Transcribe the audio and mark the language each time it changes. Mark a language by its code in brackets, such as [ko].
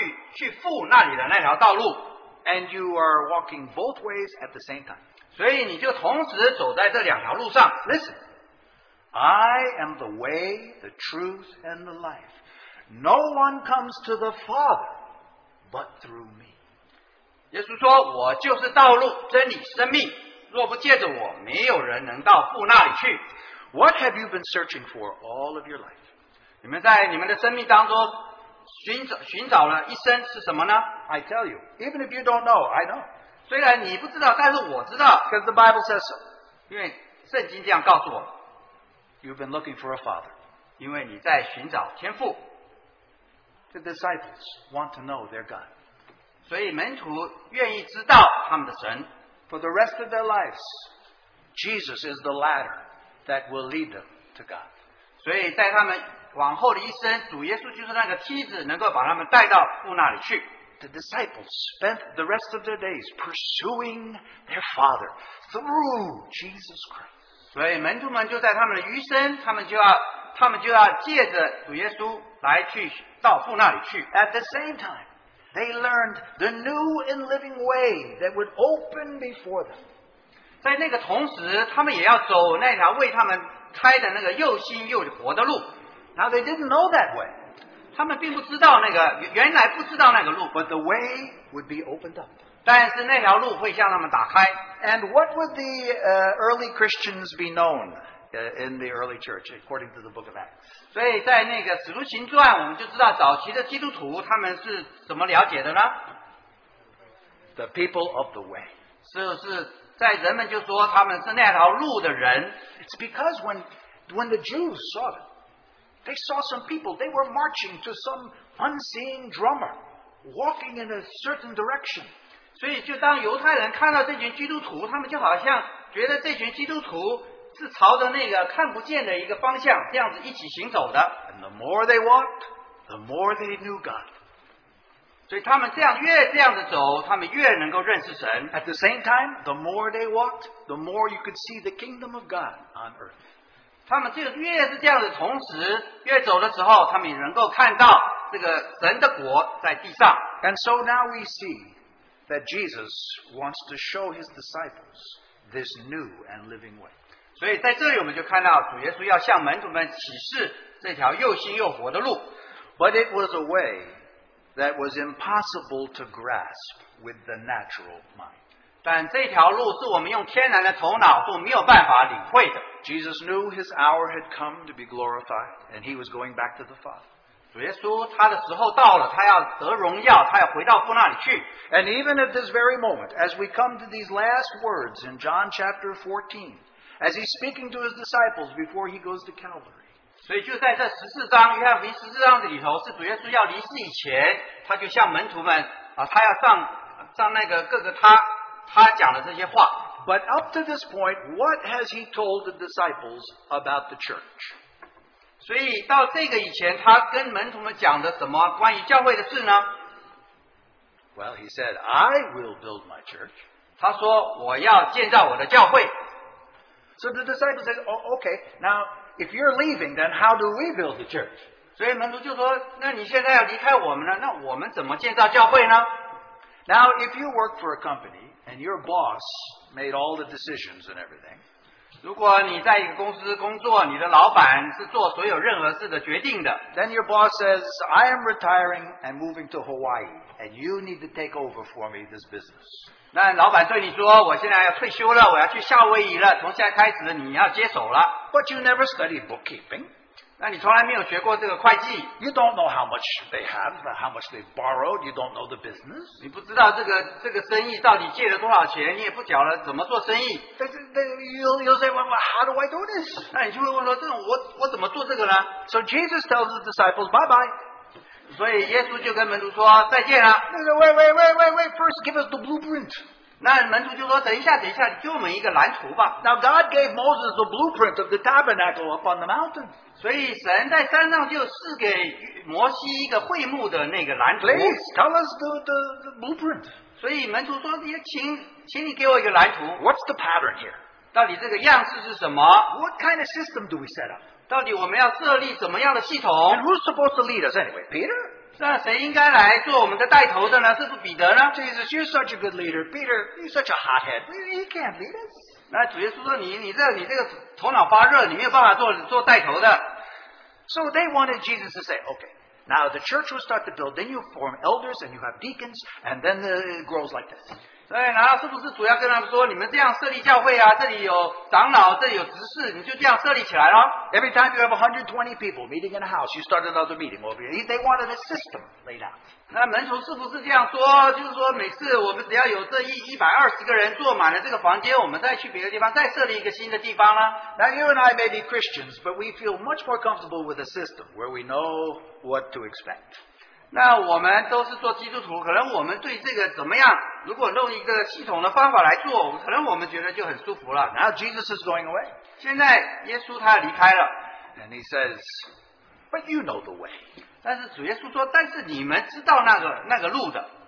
[zh] 另一方面是一条去父那里的那条道路。 [en] And you are walking both ways at the same time. [zh] 所以你就同时走在这两条路上。 [en] Listen. I am the way, the truth, and the life. No one comes to the Father but through me. [zh] 耶稣说，我就是道路、真理、生命。若不借着我，没有人能到父那里去。What [en] have you been searching for all of your life? [zh] 你们在你们的生命当中寻找了一生是什么呢？ [en] I tell you, even if you don't know, I know. [zh] 虽然你不知道，但是我知道。Because [en] the Bible says so. [zh] 因为圣经这样告诉我。 [en] You've been looking for a father. [zh] 因为你在寻找天父。 [en] The disciples want to know their God. [zh] 所以门徒愿意知道他们的神。 [en] For the rest of their lives, Jesus is the ladder that will lead them to God. [zh] 所以在他们往后的一生，主耶稣就是那个梯子，能够把他们带到父那里去。 [en] The disciples spent the rest of their days pursuing their Father through Jesus Christ. [zh] 所以门徒们就在他们的余生，他们就要借着主耶稣来去到父那里去。 [en] At the same time, they learned the new and living way that would open before them. [zh] 在那个同时，他们也要走那条为他们开的那个又新又活的路。 [en] Now they didn't know that way. [zh] 他们并不知道那个原来不知道那个路。 [en] But the way would be opened up. [zh] 但是那条路会向他们打开。 [en] And what would the early Christians be known in the early church according to the book of Acts? [zh] 所以在那个使徒行传，我们就知道早期的基督徒他们是怎么了解的呢？ [en] The people of the way. [zh] 是在人们就说他们是那条路的人。 [en] It's because when the Jews saw it. They saw some people, they were marching to some unseen drummer, walking in a certain direction. [zh] 所以就当犹太人看到这群基督徒，他们就好像觉得这群基督徒是朝着那个看不见的一个方向，这样子一起行走的。 [en] And the more they walked, the more they knew God. [zh] 所以他们这样越这样子走，他们越能够认识神。 [en] At the same time, the more they walked, the more you could see the kingdom of God on earth. [zh] 他们就越是这样子，同时越走的时候，他们也能够看到这个神的国在地上。 [en] And so now we see that Jesus wants to show his disciples this new and living way. [zh] 所以在这里我们就看到主耶稣要向门徒们启示这条又新又活的路。 [en] But it was a way that was impossible to grasp with the natural mind. [zh] 但这条路是我们用天然的头脑都没有办法领会的。 [en] Jesus knew his hour had come to be glorified, and he was going back to the Father. [zh] 主耶稣他的时候到了，他要得荣耀，他要回到父那里去。 [en] And even at this very moment, as we come to these last words in John chapter 14, as he's speaking to his disciples before he goes to Calvary. [zh] 所以就在这十四章，约翰福音十四章里头，是主耶稣要离世以前，他就向门徒们啊，他要上那个各个他。他讲了这些话。 [en] But up to this point, what has he told the disciples about the church? [zh] 所以到这个以前，他跟门徒们讲的什么关于教会的事呢？ [en] Well, he said, I will build my church. [zh] 他说，我要建造我的教会。 [en] So the disciples said, oh, okay, now, if you're leaving, then how do we build the church? [zh] 所以门徒就说，那你现在要离开我们了，那我们怎么建造教会呢？ [en] Now, if you work for a company,And your boss made all the decisions and everything. [zh] 如果你在一个公司工作，你的老板是做所有任何事的决定的。 [en] Then your boss says, "I am retiring and moving to Hawaii, and you need to take over for me this business." [zh] 那老板对你说，我现在要退休了，我要去夏威夷了，从现在开始你要接手了。 [en] But you never studied bookkeeping. [zh] 那你从来没有学过这个会计。 [en] You don't know how much they have, how much they borrowed. You don't know the business. [zh] 你不知道这个生意到底借了多少钱，你也不晓得怎么做生意。 [en] You'll say, well, how do I do this? [zh] 那你就会问说，这种我怎么做这个呢？ [en] So Jesus tells his disciples, bye bye. [zh] 所以耶稣就跟门徒说再见了。 [en] They say, wait, first give us the blueprint. [zh] 那门徒就说等一下给我们一个蓝图吧。 [en] Now God gave Moses the blueprint of the tabernacle up on the mountain. [zh] 所以神在山上就赐给摩西一个会幕的那个蓝图。 [en] Please tell us the blueprint. [zh] 所以门徒说请你给我一个蓝图。 [en] What's the pattern here? [zh] 到底这个样式是什么？ [en] What kind of system do we set up? [zh] 到底我们要设立什么样的系统？ [en] And who's supposed to lead us anyway? Peter? [zh] 那谁应该来做我们的带头的呢？是不是彼得呢？ [en] Jesus, you're such a good leader. Peter, you're such a hothead. He can't lead us. [zh] 那主耶稣说你这个头脑发热，你没有办法做带头的。 [en] So they wanted Jesus to say, okay, now the church will start to build, then you form elders and you have deacons, and then it grows like this. [zh] 对，然后是不是主要跟他们说，你们这样设立教会啊，这里有长老，这里有执事，你就这样设立起来了。 [en] Every time you have 120 people meeting in a house, you start another meeting over here. They wanted a system laid out. [zh] 那门徒是不是这样说？就是说，每次我们只要有这120个人坐满了这个房间，我们再去别的地方再设立一个新的地方呢？ [en] Now you and I may be Christians, but we feel much more comfortable with a system where we know what to expect. [zh] 那我们都是做基督徒，可能我们对这个怎么样，如果弄一个系统的方法来做，可能我们觉得就很舒服了。 [en] Now Jesus is going away. [zh] 现在耶稣他离开了。 [en] And he says, But you know the way. [zh] 但是主耶稣说, 但是你们知道那个路的。